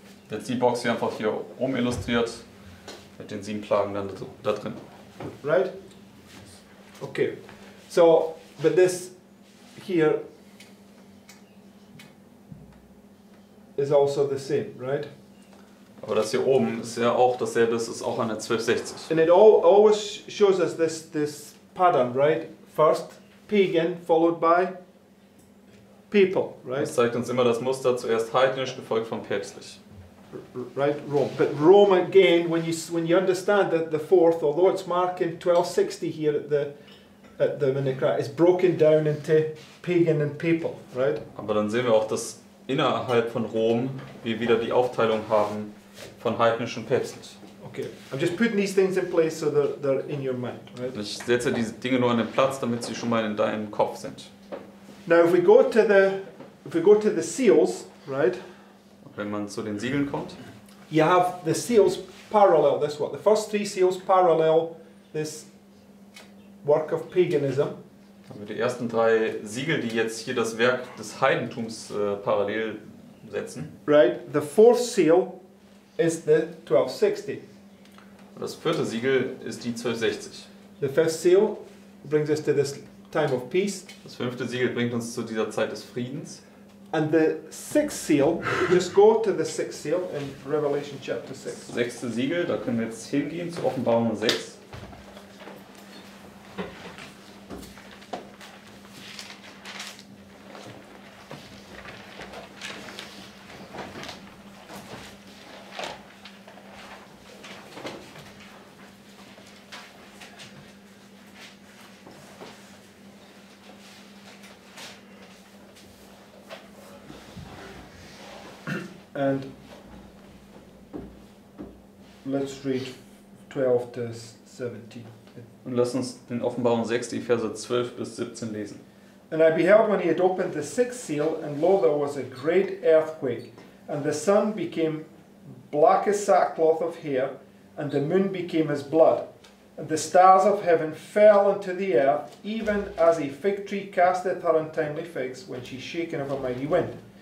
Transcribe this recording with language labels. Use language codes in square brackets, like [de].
[de] Jetzt die Box hier einfach hier rum illustriert mit den sieben Plagen dann da drin. [en] Right? Okay. So but this here is also the same, right? [de] Aber das hier oben ist ja auch dasselbe, es ist auch eine 1260. [en] And it always shows us this pattern, right? First pagan, followed by people, right? [de] Das zeigt uns immer das Muster, zuerst heidnisch, gefolgt von päpstlich. [en] Right, Rome. But Rome again, when you understand that the fourth, although it's marking 1260 here at the Minicra, is broken down into pagan and people, right? [de] Aber dann sehen wir auch, dass innerhalb von Rom wir wieder die Aufteilung haben, von heidnisch und päpstlich. [en] Okay, I'm just putting these things in place, so they're in your mind, right? [de] Ich setze diese Dinge nur an den Platz, damit sie schon mal in deinem Kopf sind. [en] Now, if we go to the seals, right? [de] Wenn man zu den Siegeln kommt. [en] You have the seals parallel this one. The first three seals parallel this work of paganism. [de] Haben wir die ersten drei Siegel, die jetzt hier das Werk des Heidentums parallel setzen. [en] Right, the fourth seal is the 1260. [de] Das vierte Siegel ist die 1260. [en] The first seal brings us to this time of peace. [de] Das fünfte Siegel bringt uns zu dieser Zeit des Friedens. [en] And the sixth seal, just go to the sixth seal in Revelation chapter 6. [de] Das sechste Siegel, da können wir jetzt hingehen zu Offenbarung 6. [en] And let's read 12 to 17. [de] Und lass uns in Offenbarung 6 die Verse 12 bis 17 lesen. [en] And I beheld when he had opened the sixth seal, and lo, there was a great earthquake, and the sun became black as sackcloth of hair, and the moon became as blood, and the stars of heaven fell unto the earth, even as a fig tree casteth her untimely figs when she is shaken of a mighty wind.